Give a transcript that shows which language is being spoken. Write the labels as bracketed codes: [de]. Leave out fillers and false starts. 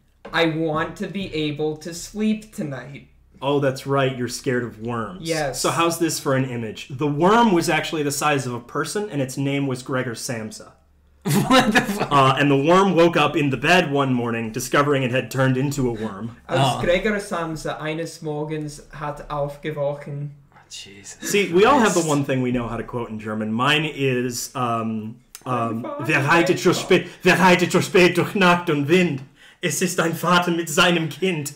[en] I want to be able to sleep tonight. Oh, that's right. You're scared of worms. Yes. So how's this for an image? The worm was actually the size of a person and its name was Gregor Samsa. What the fuck? And the worm woke up in the bed one morning, discovering it had turned into a worm. [de] Als Gregor Samsa eines Morgens hat aufgewachen. [en] Jesus. See, we all have the one thing we know how to quote in German. Mine is, [de] wer reitet so spät durch Nacht und Wind? Es ist ein Vater mit seinem Kind.